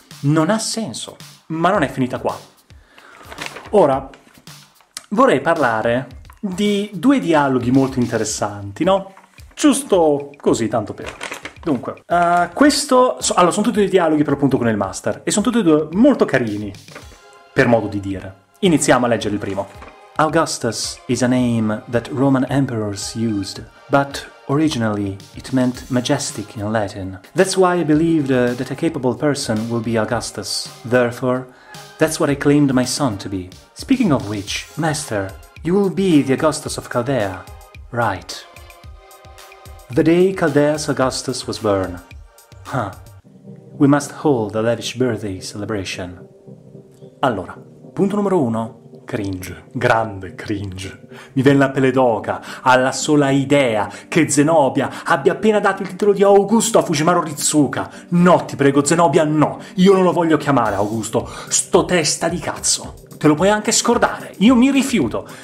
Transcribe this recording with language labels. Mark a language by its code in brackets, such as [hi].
[it] Non ha senso, ma non è finita qua. Ora, vorrei parlare di due dialoghi molto interessanti, no? Giusto così, tanto per... Dunque, allora, sono tutti i dialoghi per appunto con il Master, e sono tutti e due molto carini, per modo di dire. Iniziamo a leggere il primo. [en] Augustus is a name that Roman emperors used, but originally it meant majestic in Latin. That's why I believed that a capable person will be Augustus. Therefore, that's what I claimed my son to be. Speaking of which, Master, you will be the Augustus of Chaldea, right? The day Chaldeus Augustus was born. Huh. We must hold a lavish birthday celebration. [it] Allora, punto numero uno. Cringe. Grande cringe. Mi viene la pelle d'oca alla sola idea che Zenobia abbia appena dato il titolo di Augusto a Fujimaru Ritsuka. No, ti prego, Zenobia, no. Io non lo voglio chiamare Augusto. Sto testa di cazzo. Te lo puoi anche scordare, io mi rifiuto.